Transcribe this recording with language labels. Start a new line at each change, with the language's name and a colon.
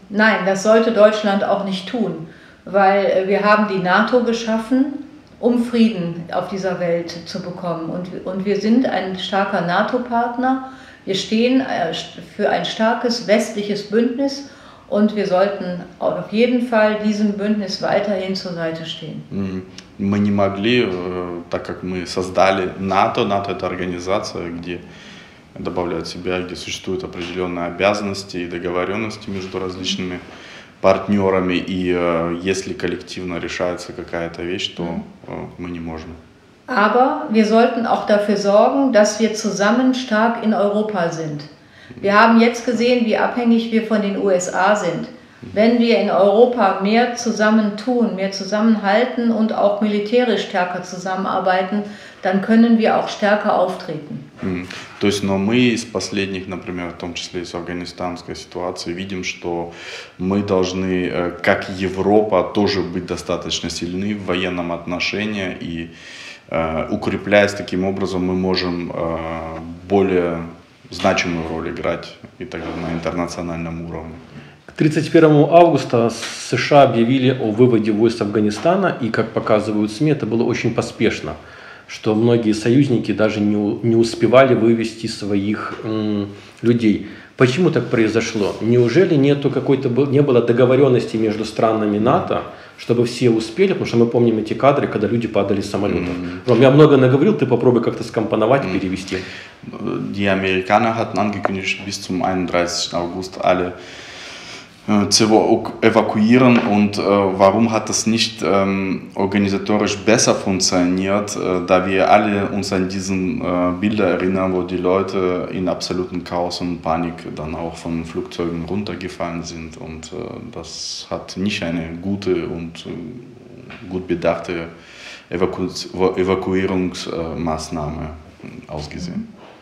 German: Nein, das sollte Deutschland auch nicht tun, weil wir haben die NATO geschaffen, um Frieden auf dieser Welt zu bekommen. Und wir sind ein starker NATO-Partner, wir stehen für ein starkes westliches Bündnis und wir sollten auf jeden Fall diesem Bündnis weiterhin zur Seite stehen.
Russian: Мы не могли, так как мы создали НАТО, НАТО – это организация, где добавляют себя, где существуют определенные обязанности и договоренности между различными партнерами, и если коллективно решается какая-то вещь, то мы не можем.
German: Aber wir sollten auch dafür sorgen, dass wir zusammen stark in Europa sind. Wir haben jetzt gesehen, wie abhängig wir von den USA sind. Wenn wir in Europa mehr zusammentun, mehr zusammenhalten und auch militärisch stärker zusammenarbeiten, dann können wir auch stärker auftreten.
Russian: То есть, но мы из последних, например, в том числе из афганистанской ситуации, видим, что мы должны, как Европа, тоже быть достаточно сильны в военном отношении и укрепляясь таким образом, мы можем более значимую роль играть и также на интернациональном уровне. 31 августа США объявили о выводе войск из Афганистана, и, как показывают СМИ, это было очень поспешно, что многие союзники даже не успевали вывести своих людей. Почему так произошло? Неужели нету какой-то, не было договоренности между странами НАТО, чтобы все успели? Потому что мы помним эти кадры, когда люди падали с самолетов. Ром, я много наговорил, ты попробуй как-то скомпоновать, перевести.
German: Die Amerikaner hatten angekündigt, bis zum 31. August alle evakuieren und warum hat das nicht organisatorisch besser funktioniert, da wir alle uns an diesen Bilder erinnern, wo die Leute in absolutem Chaos und Panik dann auch von Flugzeugen runtergefallen sind und das hat nicht eine gute und gut bedachte Evakuierungsmaßnahme ausgesehen.